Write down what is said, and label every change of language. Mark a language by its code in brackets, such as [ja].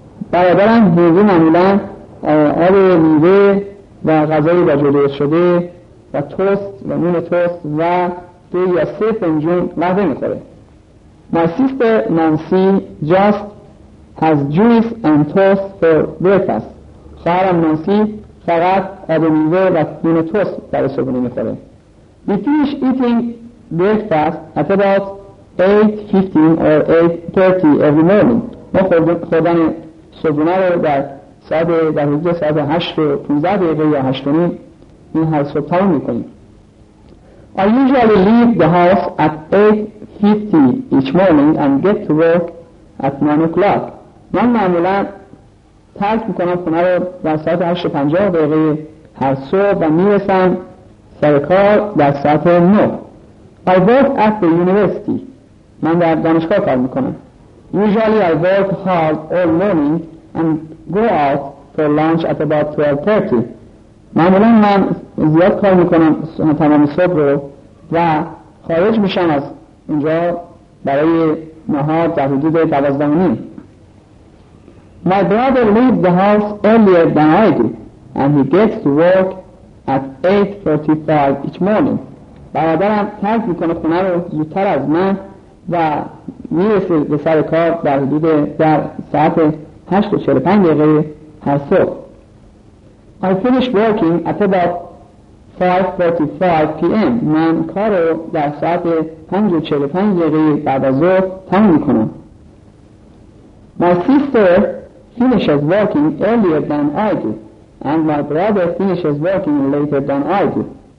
[fa] برادرم هنری معمولا آب میوه و غذای بجوده شده و توست و نون توست و 2 یا 3 فنجون قهوه میخوره. [en] My sister Nancy just has juice and toast for breakfast. [fa] خواهرم نانسی فقط آب میوه و نون توست برای صبحونه میخوره. [en] We finish eating breakfast at about 8:15 or 8:30 every morning. [fa] ما خوردن صبحونه رو در ساعت در حدود ساعت 8:15 دقیقه یا 8:30 این هر صبح تمام میکنیم. [en] I usually leave the house at 8:50 each morning and get to work at 9 o'clock. [fa] من معمولا ترک میکنم خونه رو در ساعت 8:50 دقیقه هر صبح و میرسم سر کار در ساعت 9. [en] I work at the university. [fa] من در دانشگاه کار میکنم. [en] Usually I work hard all morning and go out for lunch at about 12:30. [fa] معمولا من زیاد کار میکنم تمام صبح رو و خارج میشم از اینجا برای نهار در حدود 12:30. [en] My brother leaves the house earlier than I do and he gets to work at 8:45 each morning. [fa] برادرم ترک میکنه خونه رو زودتر از من و میرسه به سر کار در حدود در ساعت 8:45 دقیقه هر صبح. [en] I finish working at about 5:45 p.m. [fa] من کار رو در ساعت 5:45 دقیقه بعد از ظهر تموم میکنم. [en] My sister finishes working earlier than I do and my brother finishes working later than I do.